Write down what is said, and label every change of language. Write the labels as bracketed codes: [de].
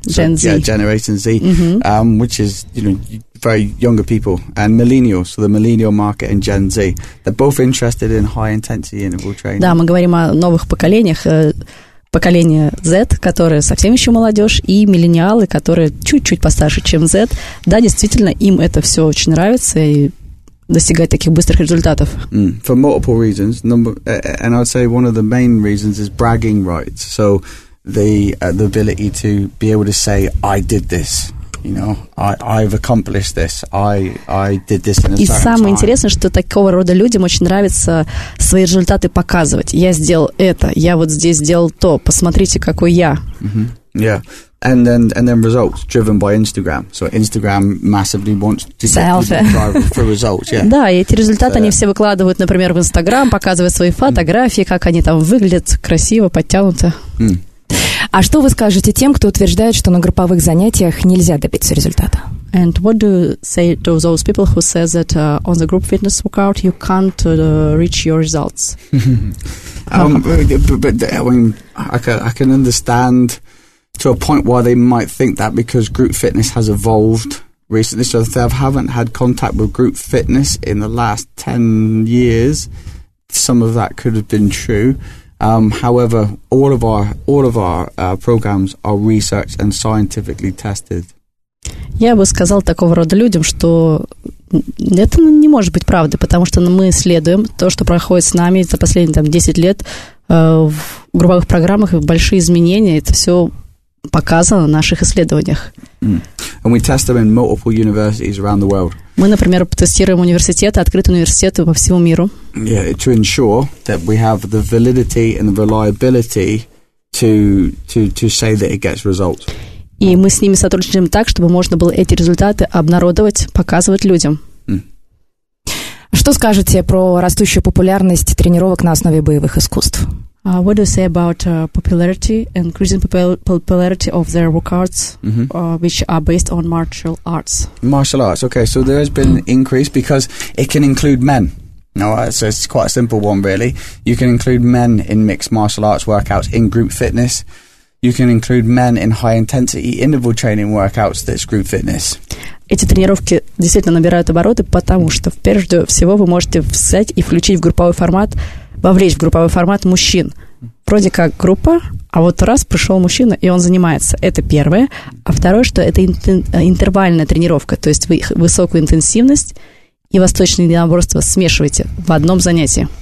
[en] Generation Z, which is, you know, very younger people, and millennials, so the millennial market and Gen Z, they're both interested in high intensity interval training. [ru] Да, мы говорим о новых поколениях, поколение Z, которое совсем еще молодежь, и миллениалы, которые чуть-чуть постарше, чем Z. Да, действительно, им это все очень нравится, и достигать таких быстрых результатов. Mm. [en] For multiple reasons, and I'd say one of the main reasons is bragging rights. So the ability to be able to say, I did this. You know, I've accomplished this. I did this in a certain time. [ru] И самое интересное, что такого рода людям очень нравится свои результаты показывать. Я сделал это, я вот здесь сделал то. Посмотрите, какой я. [en] Mm-hmm. Yeah. And then results driven by Instagram. So Instagram massively wants to drive for results. Yeah. [ru] Да, и эти результаты они все выкладывают, например, в Instagram, показывают свои фотографии, как они там выглядят, красиво, подтянуто. Mm. А что вы скажете тем, кто утверждает, что на групповых занятиях нельзя добиться результата? [en] And what do you say to those people who say that on the group fitness workout you can't reach your results? I can understand to a point why they might think that because group fitness has evolved recently. So if they haven't had contact with group fitness in the last 10 years, some of that could have been true. However, all of our programs are researched and scientifically tested. [ru] Я бы сказал такого рода людям, что это не может быть правдой, потому что мы исследуем то, что проходит с нами за последние там 10 лет в групповых программах, и большие изменения, это все показано в наших исследованиях. Mm. [en] And we test them in multiple universities around the world. [ru] Мы, например, тестируем университеты, открытые университеты по всему миру. [en] Yeah, to ensure that we have the validity and the reliability to say that it gets results. [ru] И мы с ними сотрудничаем так, чтобы можно было эти результаты обнародовать, показывать людям. Mm. Что скажете про растущую популярность тренировок на основе боевых искусств? [en] What do you say about popularity, increasing popularity of their workouts, which are based on martial arts? Martial arts, okay. So there has been an increase because it can include men. No, so it's quite a simple one, really. You can include men in mixed martial arts workouts in group fitness. You can include men in high-intensity interval training workouts that's group fitness. [ru] Эти тренировки действительно набирают обороты, потому что, прежде всего, вы можете взять и включить в групповой формат, вовлечь в групповой формат мужчин. Вроде как группа, а вот раз пришел мужчина, и он занимается. Это первое. А второе, что это интервальная тренировка, то есть вы высокую интенсивность и восточное единоборство смешиваете в одном занятии.